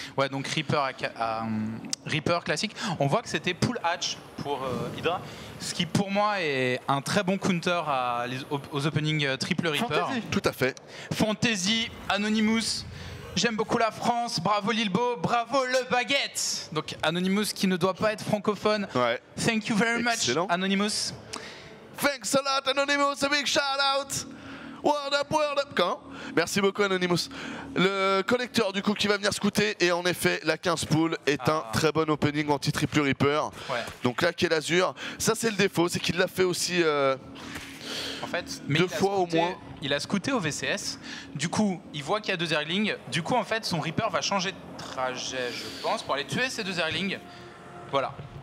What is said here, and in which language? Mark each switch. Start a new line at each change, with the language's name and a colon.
French: Donc Reaper, Reaper classique, on voit que c'était pull hatch pour Hydra, ce qui pour moi est un très bon counter aux opening triple Reaper. Fantasy. Tout à fait. Fantasy, Anonymous. J'aime beaucoup la France, bravo Lilbo, bravo le baguette. Donc Anonymous qui ne doit pas être francophone. Ouais.
English: Thank you very
French: Excellent.
English: Much Anonymous. Thanks a lot Anonymous, a big shout out.
French: World up, quand ? Merci beaucoup Anonymous. Le collecteur du coup qui va venir scouter, et en effet la 15 pool est un très bon opening anti triple Reaper. Ouais. Donc là Kell Azur, ça c'est le défaut, c'est qu'il l'a fait aussi en fait, deux fois au moins. Il a scouté au VCS, du coup il voit qu'il y a deux Zerglings, du coup en fait son Reaper va changer de trajet je pense pour aller tuer ces deux Zerglings, voilà.